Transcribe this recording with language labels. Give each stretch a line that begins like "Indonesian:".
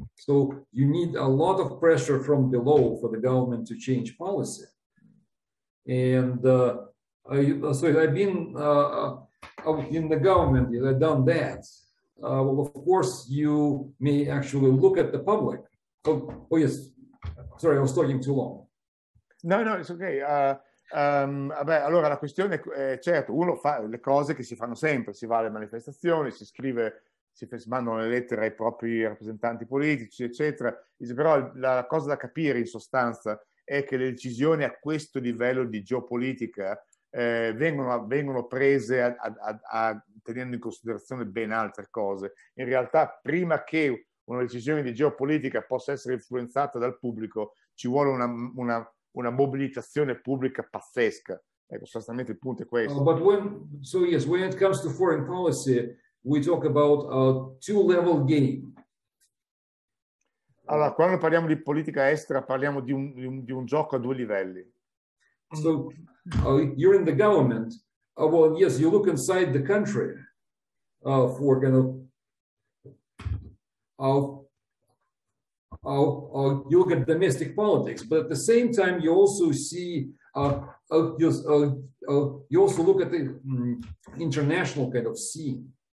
English: So you need a lot of pressure from below for the government to change policy. And I've been in the government, I've done that. Well, of course, you may actually look at the public. Oh, yes. Sorry, I was talking too long. No, it's okay.
Italian: Allora la questione è, certo, uno fa le cose che si fanno sempre, si va alle manifestazioni, si scrive, si mandano le lettere ai propri rappresentanti politici, eccetera. Però la cosa da capire in sostanza è che le decisioni a questo livello di geopolitica vengono prese tenendo in considerazione ben altre cose. In realtà, prima che una decisione di geopolitica possa essere influenzata dal pubblico, ci vuole una mobilitazione pubblica pazzesca. Ecco, sostanzialmente il punto è questo.
English: When it comes to foreign policy, we talk about a two-level game.
Italian: Allora, quando parliamo di politica estera, parliamo di un gioco a due livelli.
English: So, you're in the government. You look inside the country for kind of you look at domestic politics, but at the same time you also see you also look at the international kind of scene.